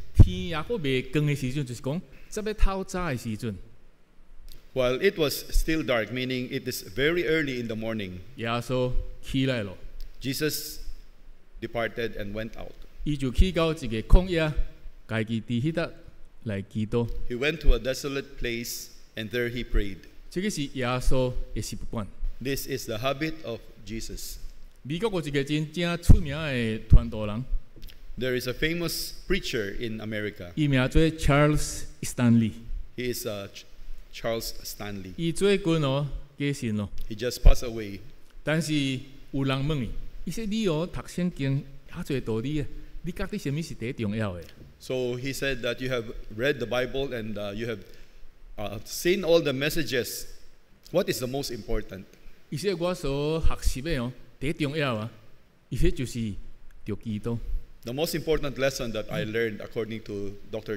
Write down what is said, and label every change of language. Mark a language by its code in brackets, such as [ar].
[nan] 天也还未光的时候，就是讲，这要透早的时候。 [en] While it was still dark, meaning it is very early in the morning, [nan] 耶稣起来了。 [en] Jesus departed and went out. [nan] 他就去到一个旷野，自己在那里来祈祷。 [en] He went to a desolate place and there he prayed. [nan] 这个是耶稣的习惯。 [en] This is the habit of Jesus. [nan] 美国有一个真正出名的传道人。 [en] There is a famous preacher in America. [nan] 他名叫 Charles Stanley. [en] He is Charles Stanley. [nan] 他最近哦，过身了。 [en] He just passed away. [nan] 但是有人问他，他说你哦，读圣经那么多道理，你觉得什么是最重要的？ [en] So he said that you have read the Bible and you have seen all the messages. What is the most important? The most important lesson that I learned according to Dr.